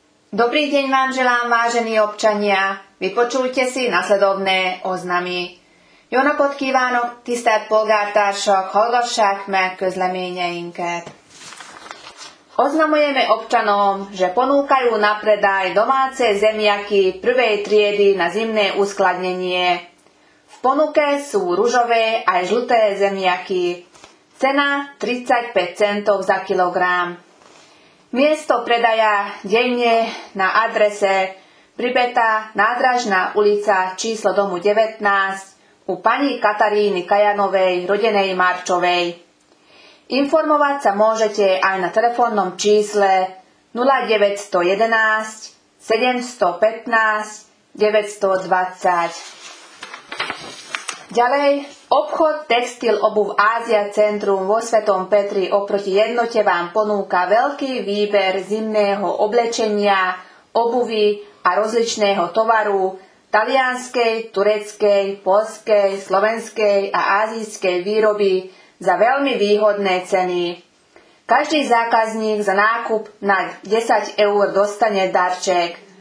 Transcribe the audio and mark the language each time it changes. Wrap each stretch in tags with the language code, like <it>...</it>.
<sk>Dobrý deň vám želám, vážení občania. Vypočujte si nasledovné oznamy.</sk> <hu>Jóna podkívánok, tisztelt polgártársak, hallgassák meg közleményeinket.</hu> <sk>Oznamujeme občanom, že ponúkajú na predaj domáce zemiaky prvej triedy na zimné uskladnenie. V ponuke sú ružové aj žlté zemiaky. Cena 35 centov za kilogram. Miesto predaja denne na adrese Pribeta Nádražná ulica číslo domu 19 u pani Kataríny Kajanovej, rodenej Marčovej. Informovať sa môžete aj na telefónnom čísle 0911 715 920. Ďalej, obchod textil obuv Ázia Centrum vo Svetom Petri oproti jednote vám ponúka veľký výber zimného oblečenia, obuvy a rozličného tovaru talianskej, tureckej, poľskej, slovenskej a ázijskej výroby za veľmi výhodné ceny. Každý zákazník za nákup nad 10 eur dostane darček.</sk>